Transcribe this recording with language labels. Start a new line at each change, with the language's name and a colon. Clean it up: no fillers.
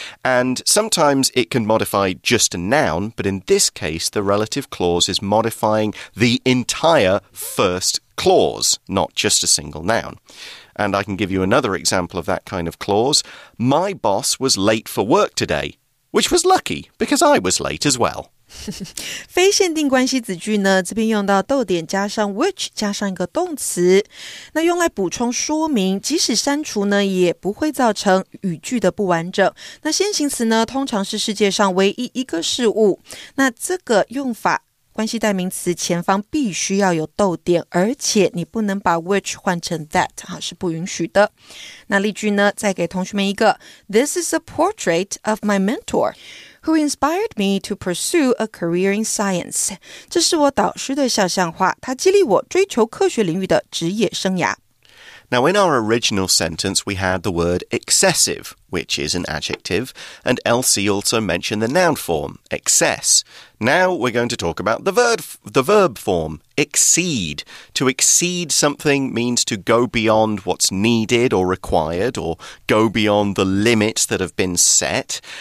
English: And sometimes it can modify just a noun, but in this case, the relative clause is modifying the entire first clause, not just a single noun. And I can give you another example of that kind of clause. My boss was late for work today, which was lucky because I was late as well.
Chinese: 非限定关系子句呢，这边用到逗点加上 which 加上一个动词，那用来补充说明，即使删除呢，也不会造成语句的不完整。那先行词呢，通常是世界上唯一一个事物。那这个用法关系代名词前方必须要有逗点，而且你不能把 which 换成 that， 是不允许的。那例句呢，再给同学们一个
English: This is a portrait of my mentor who inspired me to pursue a career in science.
Chinese: 这是我导师的肖像画，他激励我追求科学领域的职业生涯。
English: Now, in our original sentence, we had the word excessive, which is an adjective, and Elsie also mentioned the noun form, excess. Now, we're going to talk about the verb form, exceed. To exceed something means to go beyond what's needed or required, or go beyond the limits that have been set.